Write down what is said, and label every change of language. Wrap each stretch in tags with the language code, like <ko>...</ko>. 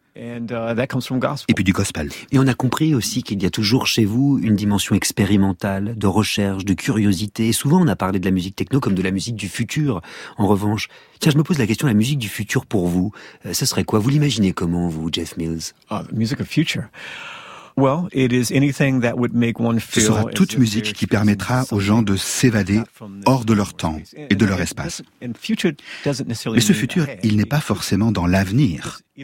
<fr>Et puis du gospel. Et on a compris aussi qu'il y a toujours chez vous une dimension expérimentale, de recherche, de curiosité. Et souvent, on a parlé de la musique techno comme de la musique du futur. En revanche, tiens, je me pose la question, la musique du futur pour vous, ce serait quoi? Vous l'imaginez comment, vous, Jeff Mills?</fr> <en>Music of future. Well, it is anything that would make one feel.</en> <fr>Ce sera toute musique qui permettra aux gens de s'évader hors de leur temps et de leur espace. Mais ce futur, il n'est pas forcément dans l'avenir.</fr>